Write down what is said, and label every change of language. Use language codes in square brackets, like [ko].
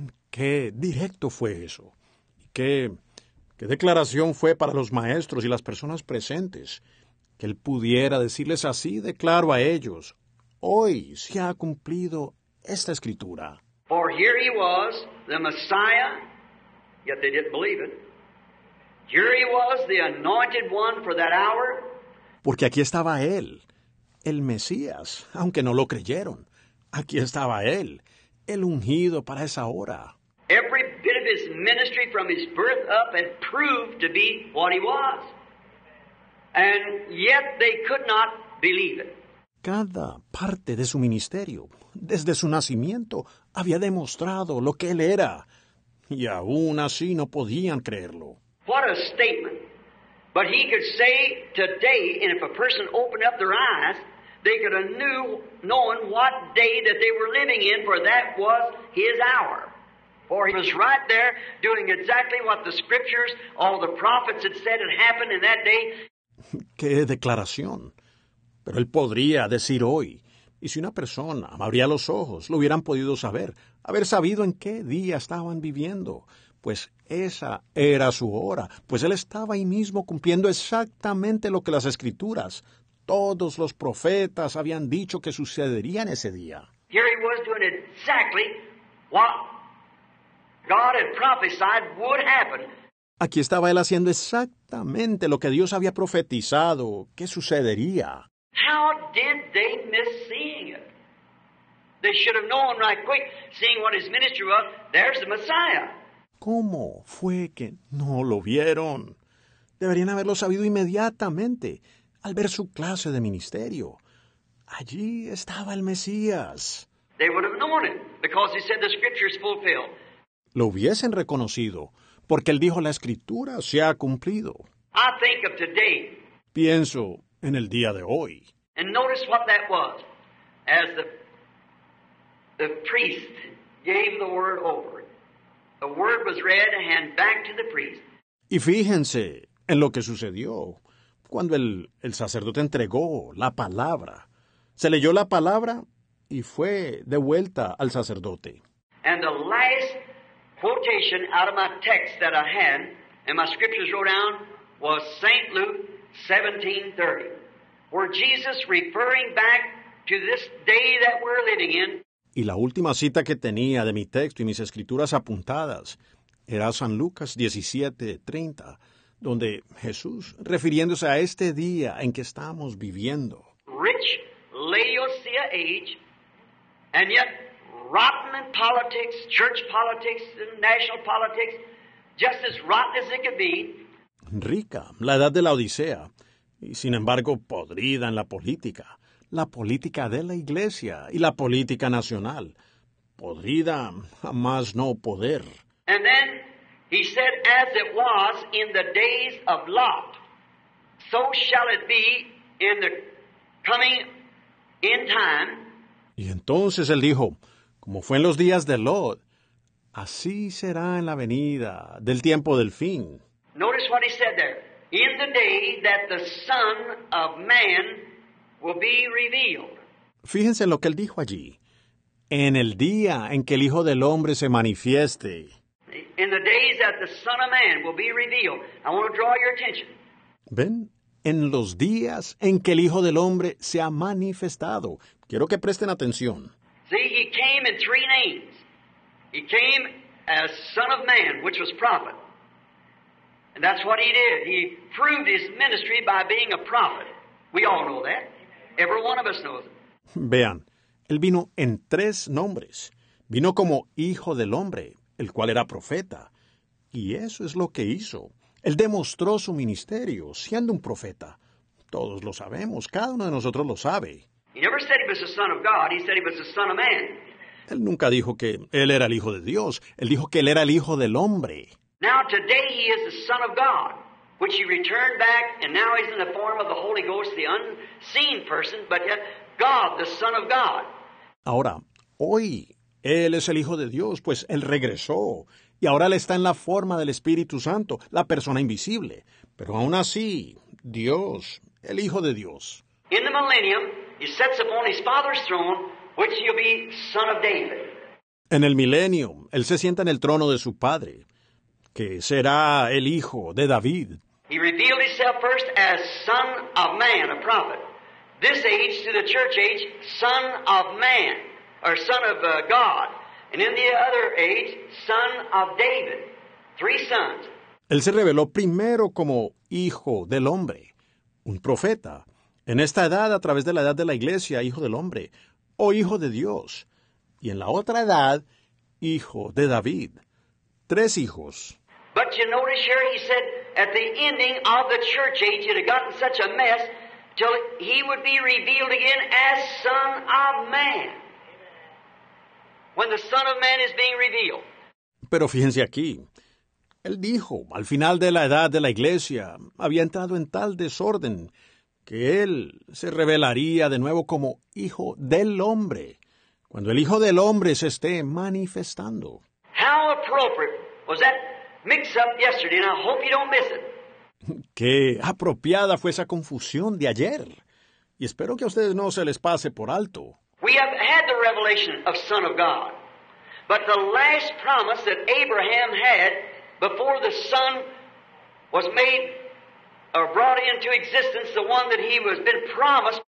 [es] Qué directo fue eso. Qué declaración fue para los maestros y las personas presentes. Que él pudiera decirles así de claro a ellos, hoy se ha cumplido esta escritura. [en] For here he was, the Messiah, yet they didn't believe it. Here he was, the anointed one for that hour. [es] Porque aquí estaba él, el Mesías, aunque no lo creyeron. Aquí estaba él, el ungido para esa hora. [en] Every bit of his ministry from his birth up had proved to be what he was. And yet they could not believe it. [es] Cada parte de su ministerio, desde su nacimiento, había demostrado lo que él era. Y aún así no podían creerlo. [en] What a statement. But he could say today, and if a person opened up their eyes, they could have knew, knowing what day that they were living in, for that was his hour. For he was right there doing exactly what the scriptures, all the prophets had said had happened in that day. [es] ¡Qué declaración! Pero él podría decir hoy, y si una persona abría los ojos, lo hubieran podido saber, haber sabido en qué día estaban viviendo. Pues esa era su hora, pues él estaba ahí mismo cumpliendo exactamente lo que las escrituras, todos los profetas habían dicho que sucedería en ese día. [en] Here he was doing exactly what God had prophesied would happen. [es] Aquí estaba él haciendo exactamente lo que Dios había profetizado que sucedería. [en] How did they miss seeing it? They should have known right quick, seeing what his ministry was, there's the Messiah. [es] ¿Cómo fue que no lo vieron? Deberían haberlo sabido inmediatamente al ver su clase de ministerio. Allí estaba el Mesías. [en] They would have known it because he said the scripture is fulfilled. [es] Lo hubiesen reconocido porque él dijo la escritura se ha cumplido. [en] I think of today. [es] Pienso en el día de hoy. [en] And notice what that was as the priest gave the word over. The word was read and back to the priest. [es] Y fíjense en lo que sucedió cuando el sacerdote entregó la palabra. Se leyó la palabra y fue de vuelta al sacerdote. [en] And the last quotation out of my text that I had and my scriptures wrote down was St. Luke 17:30, where Jesus referring back to this day that we're living in. [es] Y la última cita que tenía de mi texto y mis escrituras apuntadas era San Lucas 17:30, donde Jesús, refiriéndose a este día en que estamos viviendo. [en] Rich Laodicea age, and yet rotten in politics, church politics, and national politics, just as rotten as it could be. [es] Rica, la edad de la Odisea, y sin embargo podrida en la política. La política de la iglesia y la política nacional, podrida a más no poder. [en] And then he said, as it was in the days of Lot, so shall it be in the coming in time. [es] Y entonces él dijo, como fue en los días de Lot, así será en la venida del tiempo del fin. [en] Notice what he said there. In the day that the Son of Man will be revealed. [es] Fíjense en lo que él dijo allí. En el día en que el Hijo del Hombre se manifieste. [en] In the days that the Son of Man will be revealed. I want to draw your attention. [es] Ven, en los días en que el Hijo del Hombre se ha manifestado. Quiero que presten atención. [en] See, he came in three names. He came as Son of Man, which was prophet. And that's what he did. He proved his ministry by being a prophet. We all know that. Every one of us knows it. [es] Vean, él vino en tres nombres. Vino como Hijo del Hombre, el cual era profeta. Y eso es lo que hizo. Él demostró su ministerio siendo un profeta. Todos lo sabemos, cada uno de nosotros lo sabe. [en] He never said he was the Son of God, he said he was the Son of Man. [es] Él nunca dijo que él era el Hijo de Dios, él dijo que él era el Hijo del Hombre. [en] Now today he is the Son of God, which he returned back, and now he's in the form of the Holy Ghost, the unseen person, but yet God, the Son of God. [es] Ahora, hoy, él es el Hijo de Dios, pues él regresó, y ahora él está en la forma del Espíritu Santo, la persona invisible. Pero aún así, Dios, el Hijo de Dios. [en] In the millennium, he sets upon his Father's throne, which he'll be Son of David. [es] En el milenio, él se sienta en el trono de su Padre, que será el Hijo de David. [en] He revealed himself first as Son of Man, a prophet. This age to the church age, Son of Man, or Son of God. And in the other age, Son of David. Three sons. [es] Él se reveló primero como hijo del hombre, un profeta. En esta edad, a través de la edad de la iglesia, hijo del hombre, o hijo de Dios. Y en la otra edad, hijo de David. Tres hijos. [en] But you notice here he said at the ending of the church age it had gotten such a mess till he would be revealed again as Son of Man. When the Son of Man is being revealed. [es] Pero fíjense aquí. Él dijo, al final de la edad de la iglesia, había entrado en tal desorden que él se revelaría de nuevo como hijo del hombre, cuando el hijo del hombre se esté manifestando. [en] How appropriate was that mix up yesterday, and I hope you don't miss it. [es] Qué apropiada fue esa confusión de ayer, y espero que a ustedes no se les pase por alto. [en] We have had the revelation of Son of God, but the last promise that Abraham had before the Son was made or brought into existence, the one that he was been promised.